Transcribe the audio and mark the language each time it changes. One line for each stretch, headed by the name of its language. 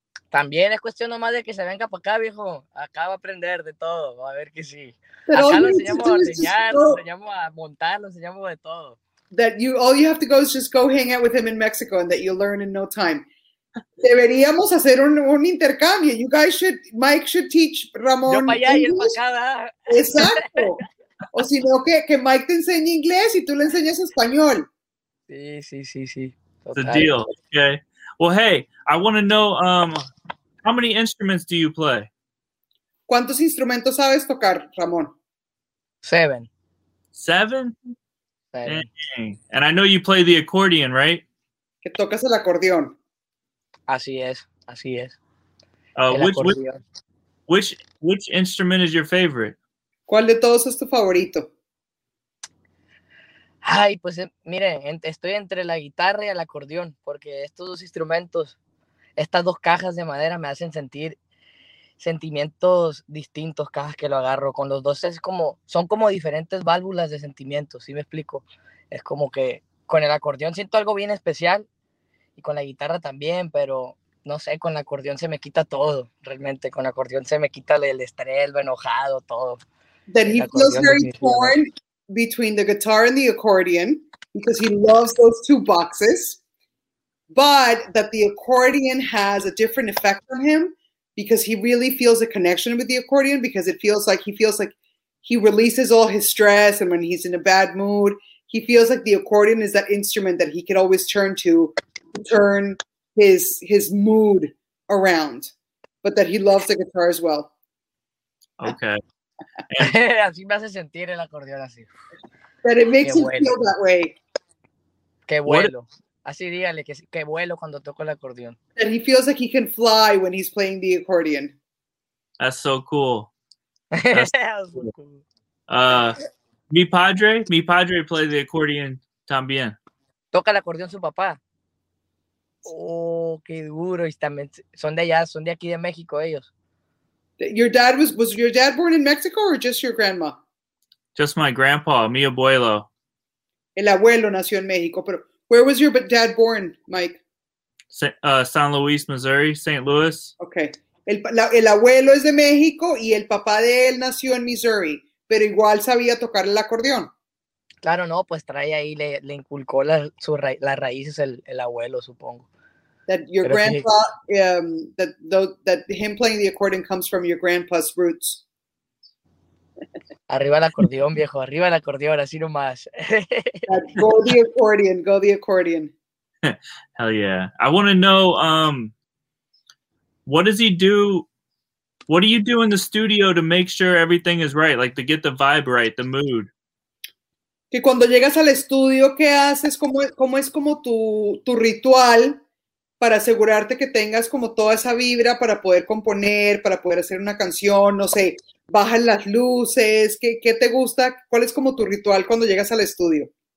Spanish: También es cuestión nomás de que se venga para acá, viejo. Acá va a aprender de todo. Va a ver que sí.
English: But
Spanish: acá lo enseñamos a ordeñar, lo enseñamos a montar, lo enseñamos de todo.
English: That you all you have to go is just go hang out with him in Mexico and that you'll learn in no time.
Spanish: Deberíamos hacer un intercambio.
English: You guys should, Mike should teach Ramón.
Spanish: Yo para allá y él para acá. Exacto. O si no, que Mike te enseñe inglés y tú le enseñes español. Sí.
English: The deal. Okay. Well, hey, I want to know how many instruments do you play?
Spanish: ¿Cuántos instrumentos sabes tocar, Ramón?
English: Seven. Seven? Seven. And I know you play the accordion, right?
Spanish: Que tocas el acordeón. Así es.
English: Which Which instrument is your favorite?
Spanish: ¿Cuál de todos es tu favorito? Ay, pues mire, estoy entre la guitarra y el acordeón, porque estos dos instrumentos, estas dos cajas de madera me hacen sentir sentimientos distintos cada vez que lo agarro. Con los dos es como, son como diferentes válvulas de sentimientos, ¿sí me explico? Es como que con el acordeón siento algo bien especial y con la guitarra también, pero no sé, con el acordeón se me quita todo, realmente. Con el acordeón se me quita el estrés, lo enojado, todo.
English: That he feels very torn between the guitar and the accordion because he loves those two boxes, but that the accordion has a different effect on him because he really feels a connection with the accordion because it feels like he feels like he releases all his stress, and when he's in a bad mood, he feels like the accordion is that instrument that he could always turn to turn his mood around, but that he loves the guitar as well. Okay.
Spanish: Así me hace sentir el acordeón así.
English: But it makes me feel that way.
Spanish: Que vuelo.
English: What?
Spanish: Así dígale que vuelo cuando toco el acordeón.
English: And he feels like he can fly when he's playing the accordion. That's so cool. That's so cool.
Spanish: Mi padre
English: plays the accordion
Spanish: también. Toca el acordeón su papá. Oh, qué duro. Y también son de allá, son de aquí de México ellos.
English: Your dad was your dad born in Mexico or just your grandma? Just my grandpa,
Spanish: mi abuelo. El abuelo nació en México, pero
English: where was your dad born,
Spanish: Mike?
English: San Luis, Missouri, St. Louis. Okay.
Spanish: El abuelo es de México y el papá de él nació en Missouri, pero igual sabía tocar el acordeón. Claro, no, pues trae ahí, le inculcó las raíces el abuelo, supongo.
English: That your
Spanish: pero
English: grandpa, that him playing the accordion comes from your grandpa's roots.
Spanish: Arriba el acordeón, viejo. Arriba el acordeón, así nomás.
English: Go the accordion. Hell yeah. I want to know, what does he do? What do you do in the studio to make sure everything is right? Like to get the vibe right, the mood.
Spanish: Que cuando llegas al estudio, ¿qué haces? ¿Cómo es como tu ritual para asegurarte que tengas como toda esa vibra para poder componer, para poder hacer una canción, no sé, bajan las luces, ¿qué te gusta? ¿Cuál es como tu ritual cuando llegas al estudio?